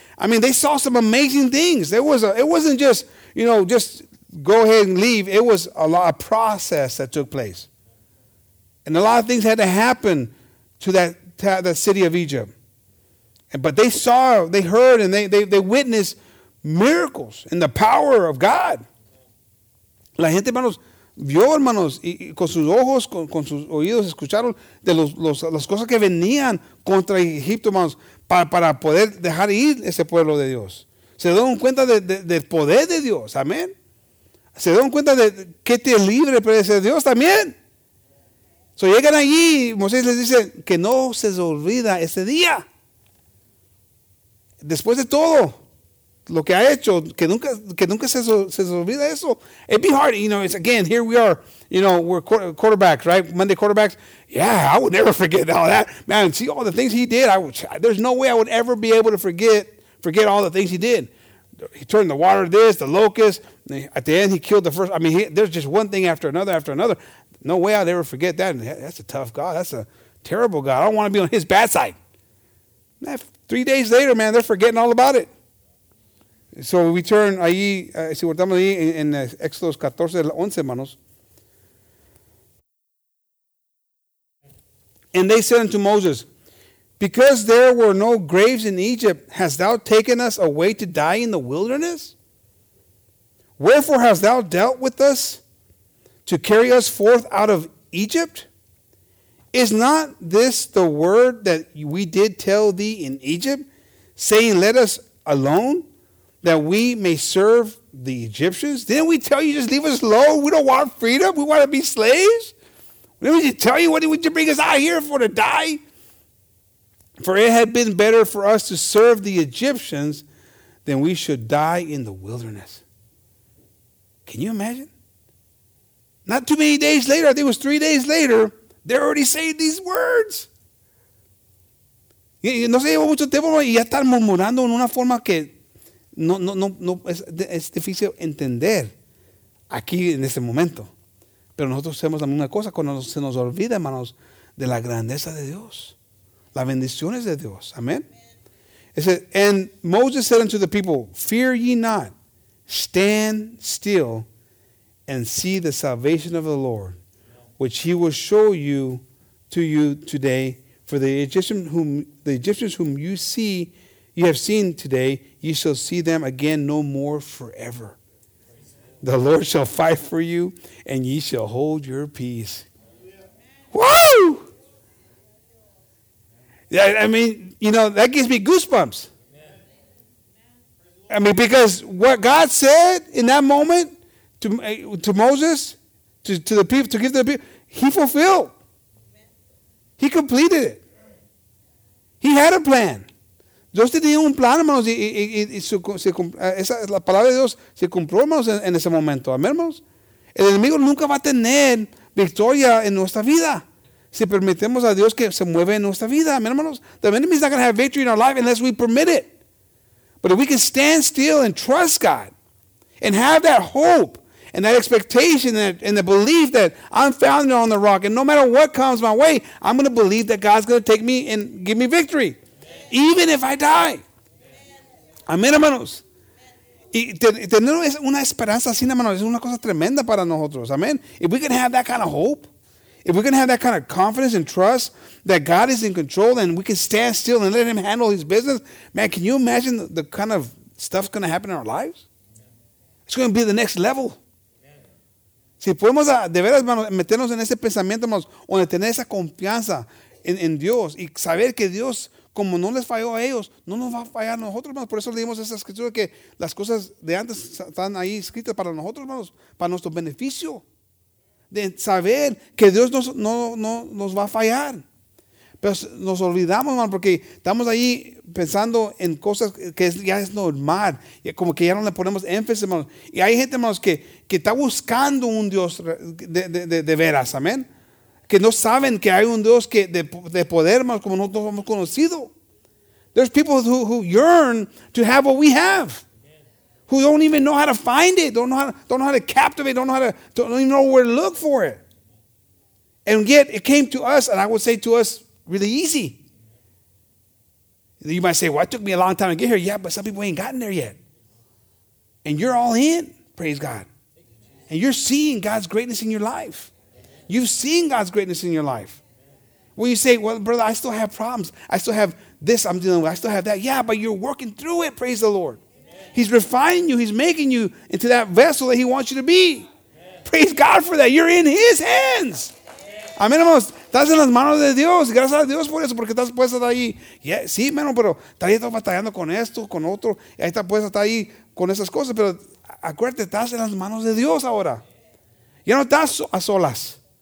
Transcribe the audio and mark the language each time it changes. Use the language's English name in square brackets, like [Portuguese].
[English] I mean, they saw some amazing things. It wasn't just, you know, just go ahead and leave. It was a lot of process that took place. And a lot of things had to happen to that city of Egypt. But they saw, they heard, and they witnessed miracles and the power of God. [Spanish] La gente, hermanos, vio, hermanos, y con sus ojos, con sus oídos, escucharon de las cosas que venían contra Egipto, hermanos, para poder dejar ir ese pueblo de Dios. Se dieron cuenta del poder de Dios, amén. Se dieron cuenta de que te libre puede ser Dios también. So llegan allí, Moisés les dice, que no se les olvida ese día. Después de todo lo que ha hecho, que nunca se olvida eso. [English] It'd be hard, you know, it's again, here we are, you know, we're quarterbacks, right? Monday quarterbacks. Yeah, I would never forget all that. Man, see all the things he did. There's no way I would ever be able to forget all the things he did. He turned the water this, the locust. At the end, he killed the first. I mean, there's just one thing after another. No way I'd ever forget that. That's a tough God. That's a terrible God. I don't want to be on his bad side. Man, 3 days later, man, they're forgetting all about it. So we turn [Spanish] ahí, si guardamos ahí en Exodus 14, 11, hermanos. [English] And they said unto Moses, because there were no graves in Egypt, hast thou taken us away to die in the wilderness? Wherefore hast thou dealt with us to carry us forth out of Egypt? Is not this the word that we did tell thee in Egypt, saying, let us alone, that we may serve the Egyptians? Didn't we tell you just leave us alone? We don't want freedom. We want to be slaves. Didn't we just tell you, what did you bring us out here for, to die? For it had been better for us to serve the Egyptians than we should die in the wilderness. Can you imagine? Not too many days later, I think it was 3 days later, they're already saying these words. [Spanish] No se llevó mucho tiempo y ya están murmurando en una forma que no es difícil entender aquí en este momento. Pero nosotros hacemos la misma cosa cuando se nos olvida, hermanos, de la grandeza de Dios. La bendición es de Dios. Amén. [English] It says, and Moses said unto the people, fear ye not, stand still and see the salvation of the Lord, which he will show you to you today. For the Egyptians whom you see, you have seen today, you shall see them again no more forever. The Lord shall fight for you, and ye shall hold your peace. Woo! I mean, you know, that gives me goosebumps. I mean, because what God said in that moment to Moses, to the people, to give the people, he fulfilled. He completed it. He had a plan. [Spanish] Dios tenía un plan, hermanos, la palabra de Dios se cumplió, hermanos, en ese momento. Amén, hermanos. El enemigo nunca va a tener victoria en nuestra vida si permitimos a Dios que se mueva en nuestra vida. Amén, hermanos. [English] The enemy is not going to have victory in our life unless we permit it. But if we can stand still and trust God and have that hope and that expectation and the belief that I'm founded on the rock, and no matter what comes my way, I'm going to believe that God's going to take me and give me victory. Even if I die. [Spanish] Amén, hermanos. Y tener una esperanza así, hermanos, es una cosa tremenda para nosotros. Amén. [English] If we can have that kind of hope, if we can have that kind of confidence and trust that God is in control and we can stand still and let him handle his business, man, can you imagine the kind of stuff going to happen in our lives? It's going to be the next level. [Spanish] Si podemos de veras meternos en ese pensamiento, hermanos, o de tener esa confianza en Dios y saber que Dios, como no les falló a ellos, no nos va a fallar a nosotros, hermanos. Por eso leímos esa escritura que las cosas de antes están ahí escritas para nosotros, hermanos, para nuestro beneficio. De saber que Dios no nos va a fallar. Pero nos olvidamos, hermano, porque estamos ahí pensando en cosas que ya es normal. Como que ya no le ponemos énfasis, hermano. Y hay gente, hermanos, que está buscando un Dios de veras, amén. Que no saben que hay un Dios que de poder, hermanos, como nosotros hemos conocido. [English] There's people who yearn to have what we have. Who don't even know how to find it. Don't know how to captivate. Don't even know where to look for it. And yet it came to us, and I would say to us, really easy. You might say, well, it took me a long time to get here. Yeah, but some people ain't gotten there yet. And you're all in, praise God. And you're seeing God's greatness in your life. You've seen God's greatness in your life. Well, you say, well, brother, I still have problems. I still have this I'm dealing with. I still have that. Yeah, but you're working through it, praise the Lord. Amen. He's refining you. He's making you into that vessel that he wants you to be. Amen. Praise God for that. You're in his hands. [Spanish] Amén, hermanos, estás en las manos de Dios. Gracias a Dios por eso, porque estás puesta ahí. Yeah, sí, hermano, pero estás batallando con esto, con otro. Y ahí estás puesta ahí con esas cosas. Pero acuérdate, estás en las manos de Dios ahora. Ya no estás a solas.